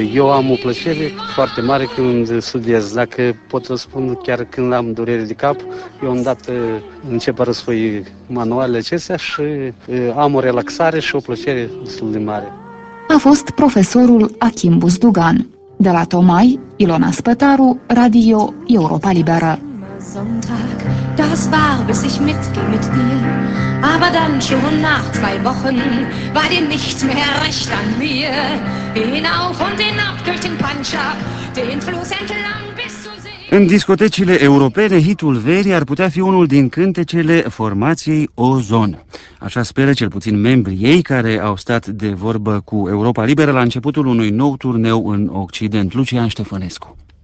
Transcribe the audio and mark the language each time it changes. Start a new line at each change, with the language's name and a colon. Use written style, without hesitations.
Romanian: Eu am o plăcere foarte mare când studiez. Dacă pot răspunde chiar când am dureri de cap, eu îndată încep a răsfoi manualele acestea și am o relaxare și o plăcere destul de mare. A fost profesorul Achim Buzdugan. De la Tomai, Ilona Spătaru, Radio Europa Liberă.
German: Sonntag, das war, bis ich mitging mit dir. Aber dann schon nach zwei Wochen war dir nichts mehr recht an mir. Hinauf und hinab durch den Panschak, den Fluss entlang bis zu See.
Romanian: În discotecile europene, hitul verii ar putea fi unul din cântecele formației Ozon. Așa speră cel puțin membrii ei care au stat de vorbă cu Europa Liberă la începutul unui nou turneu în Occident. Lucian Ștefănescu.